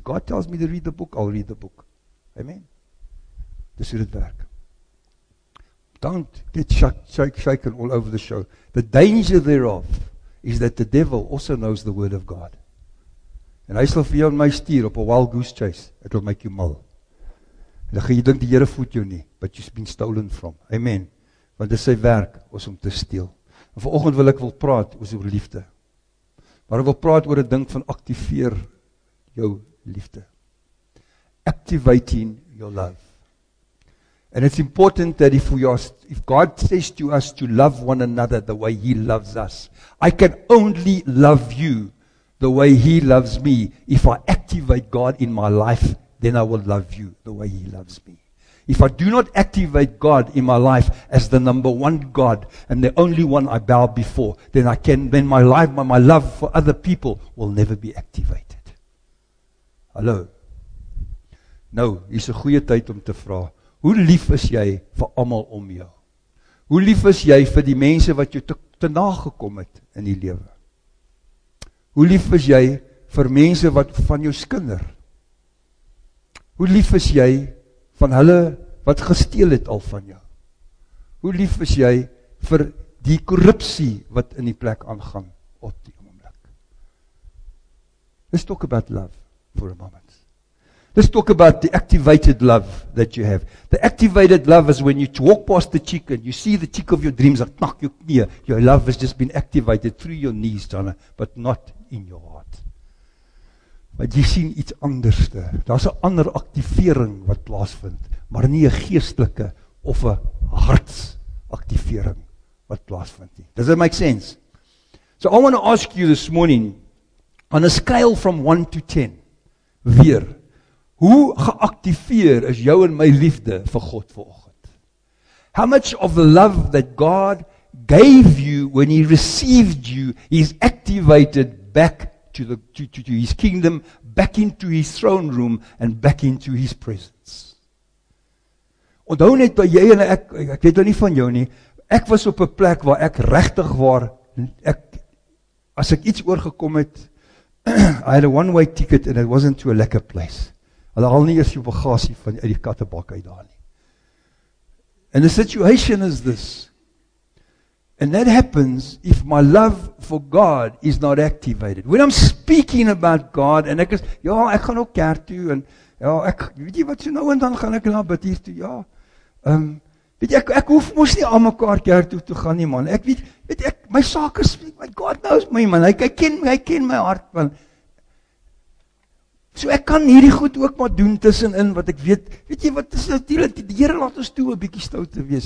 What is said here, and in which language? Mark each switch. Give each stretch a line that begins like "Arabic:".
English: God tells me to read the book, I'll read the book. Amen.
Afrikaans: Dis hoe dit werk.
English: Don't get shaken all over the show. The danger thereof, is that the devil also knows the word of God.
Afrikaans: En hy sal vir jou en my stuur op
English: a wild goose chase. It will make you mal.
Afrikaans: En dan gaan jy dink die Here voed jou nie,
English: but you've been stolen from. Amen.
Afrikaans: Want dit is sy werk, is om te steel. En vanoggend wil ek praat oor liefde. Maar ek wil praat oor 'n ding van activeer jou liefde.
English: Activating your love. And it's important that if God says to us to love one another the way He loves us, I can only love you the way He loves me. If I activate God in my life, then I will love you the way He loves me. If I do not activate God in my life as the number one God and the only one I bow before, then my life, my love for other people will never be activated.
Afrikaans: Hallo. Nou, is 'n goeie tyd om te vra. Hoe lief is jy vir almal om jou? Hoe lief is jy vir die mense wat jou te na gekom het in die lewe? Hoe lief is jy vir mense wat van jou skinder? Hoe lief is jy van hulle wat gesteel het al van jou? Hoe lief is jy vir die korrupsie wat in die plek aangaan op die oomblik?
English: Let's talk about love. for a moment. Let's talk about the activated love that you have. The activated love is when you walk past the chick and you see the chick of your dreams, knock your knee. Your love has just been activated through your knees, Donna, but not in your heart. But you see
Afrikaans: iets anders.
English: There's an
Afrikaans: ander activering wat plaasvind, maar nie 'n geestelike of 'n harts activering wat plaasvind nie.
English: Does that make sense? So I want to ask you this morning, on a scale from 1 to 10,
Afrikaans: weer, hoe geactiveer is jou en my liefde vir God vanoggend?
English: How much of the love that God gave you when He received you is activated back to His kingdom, back into His throne room, and back into His presence?
Afrikaans: Onthou net by jy en ek weet nou nie van jou nie, ek was op 'n plek waar ek regtig waar, ek, as ek iets oorgekom het,
English: I had a one-way ticket and it wasn't to a lekker place.
Afrikaans: Hulle haal nie eers jou bagasie van uit die kattebak uit daar nie.
English: And the situation is this. And that happens if my love for God is not activated. When I'm speaking about God and
Afrikaans: ek is, ja, ek gaan ook kerk toe en ja, ek weet jy wat so nou en dan gaan ek nou bid hier toe. Ja. Weet jy ek hoef mos nie aan mekaar kerk toe te gaan nie man. Ek weet ek my sake speak,
English: my God knows my man.
Afrikaans: Hy ken my hart man. So ek kan hierdie goed ook maar doen tussenin wat ek weet. Weet jy wat is natuurlik die Here laat ons toe 'n bietjie stout te wees.